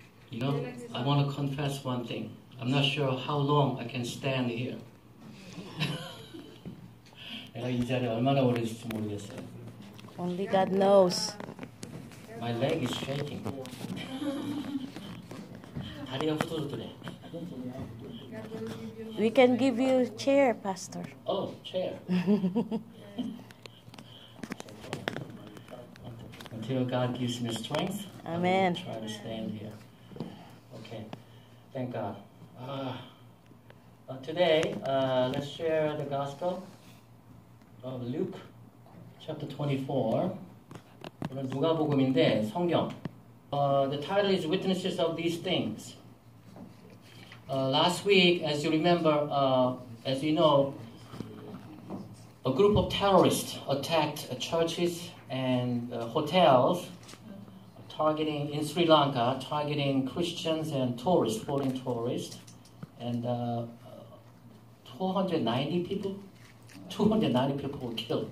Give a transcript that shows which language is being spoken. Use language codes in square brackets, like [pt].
[en] You know, I want to confess one thing. I'm not sure how long I can stand here. [ko] 내가 이 자리에 얼마나 오래 있을지 모르겠어요. [en] Only God knows. My leg is shaking. [ko] 다리가 후들후들해. [en] We can give you chair, Pastor. Oh, chair. Until God gives me strength, Amen. I will try to stand here. Okay, thank God. Today, let's share the gospel of Luke, chapter 24. [ko] 오늘 누가복음인데 성경. [en] The title is Witnesses of These Things. Last week, as you remember, as you know, a group of terrorists attacked churches and hotels, targeting in Sri Lanka, targeting Christians and tourists, foreign tourists, and 290 people were killed.